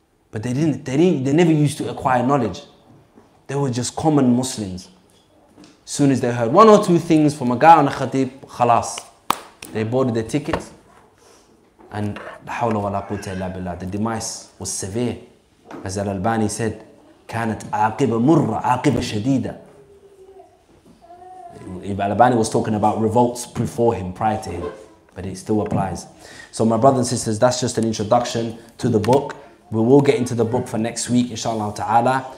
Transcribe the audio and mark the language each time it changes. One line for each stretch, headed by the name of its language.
English: But they never used to acquire knowledge. They were just common Muslims. As soon as they heard one or two things from a guy on a khatib, khalas, they boarded their tickets. And la hawla wa la quwwata illa billah, the demise was severe. As Al-Albani said,
Arabic: كانت عاقبة مرة عاقبة شديدة.
English: Al-Albani was talking about revolts before him, prior to him, but it still applies. So my brothers and sisters, that's just an introduction to the book. We will get into the book for next week, inshallah ta'ala.